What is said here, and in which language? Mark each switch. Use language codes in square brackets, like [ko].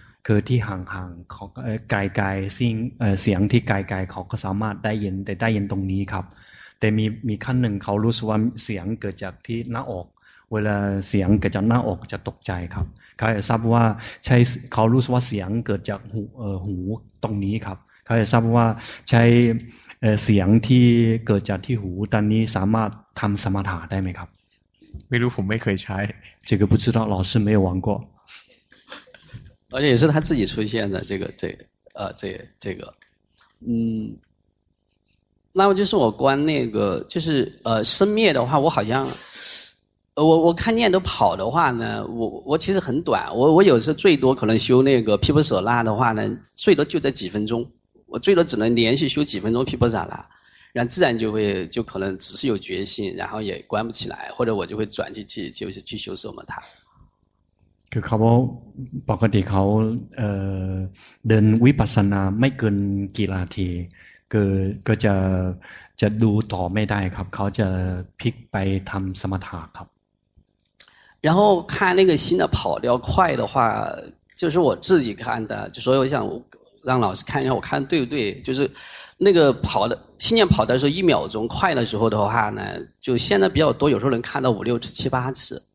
[th] คือที่ห่างๆเขาไกลๆสิ่งเสียงที่ไกลๆเขาก็สามารถได้ยินแต่ได้ยินตรงนี้ครับแต่มีขั้นหนึ่งเขารู้สึกว่าเสียงเกิดจากที่หน้าอกเวลาเสียงเกิดจากหน้าอกจะตกใจครับเขาจะทราบว่าใช่เขารู้สึกว่าเสียงเกิดจากหูตรงนี้ครับเขาจะทราบว่าใช่เสียงที่เกิดจากที่หูตอนนี้สามารถทำสมถะได้ไหมครับ ไม่รู้ผมไม่เคยใช้ [zh] 这个不知道老师没有玩过而且也是他自己出现的这个嗯，那么就是我观那个就是生灭的话，我好像我看念头跑的话呢，我其实很短，我有时候最多可能修那个毗婆舍那的话呢，最多就在几分钟，我最多只能连续修几分钟毗婆舍那，然后自然就可能只是有决心，然后也关不起来，或者我就会转去修什么它。 [th] คือเขาบอกปกติเขาเดินวิปัสสนาไม่เกินกี่นาทีก็จะดูต่อไม่ได้ครับเขาจะพลิกไปทำสมถะครับ [zh] 然后看那个心的跑得要快的话就是我自己看的就所以我想让老师看一下我看对不对就是那个跑的心念跑的时候一秒钟快的时候的话呢就现在比较多有时候能看到五六次七八次